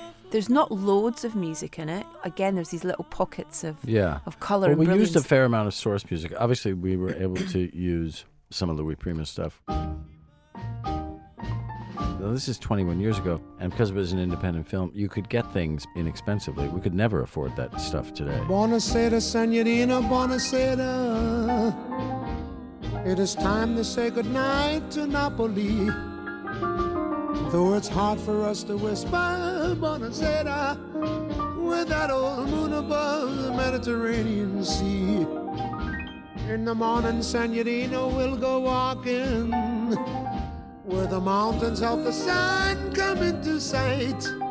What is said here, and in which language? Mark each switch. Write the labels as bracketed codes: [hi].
[en] There's not loads of music in it. Again, there's these little pockets of of colour. Well, and we used a fair amount of source music. Obviously, we were able to use some of Louis Prima stuff. Now, this is 21 years ago, and because it was an independent film, you could get things inexpensively. We could never afford that stuff today. [it] Buonasera, signorina, buonasera. [en] It is time to say goodnight to Napoli. Though it's hard for us to whisper, buonasera, with that old moon above the Mediterranean Sea. In the morning, signorina, we'll go walking where the mountains help the sun come into sight.